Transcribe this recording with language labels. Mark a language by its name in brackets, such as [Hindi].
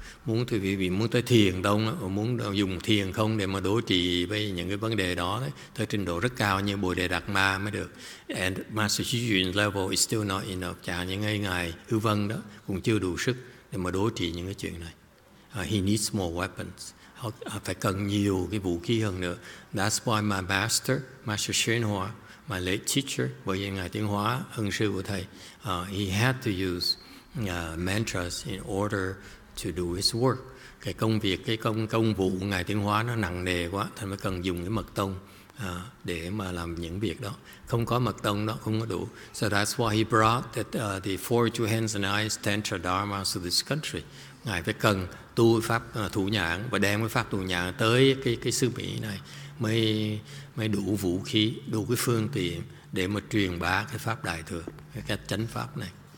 [Vietnamese] Muốn thì vì muốn tới thiền tông, muốn dùng thiền không để mà đối trị với những cái vấn đề đó, tới trình độ rất cao như Bồ Đề Đạt Ma mới được. [English] And Master Xu Yun level is still not enough. [Vietnamese] Chẳng những ngài Hư Vân đó cũng chưa đủ sức để mà đối trị những cái chuyện này. [English] He needs more weapons. [Vietnamese] Phải cần nhiều cái vũ khí hơn nữa. [English] That's why my master, Master Xuyên Hoa, my late teacher, [Vietnamese] bởi vì ngài Tiến Hóa, ân sư của thầy, [English] he had to use mantras in order to do his work. [Vietnamese] Cái công việc, cái công vụ của ngài Tiến Hóa nó nặng nề quá, thì mới cần dùng cái mật tông để mà làm những việc đó. Không có mật tông đó không có đủ. [English] So that's why he brought the 42 hands and eyes Tantra Dharma to this country. [Vietnamese] Ngài phải cần tu pháp thủ nhãn và đem cái pháp thủ nhãn tới cái xứ Mỹ này mới đủ vũ khí, đủ cái phương tiện để mà truyền bá cái pháp đại thừa, cái chánh pháp này.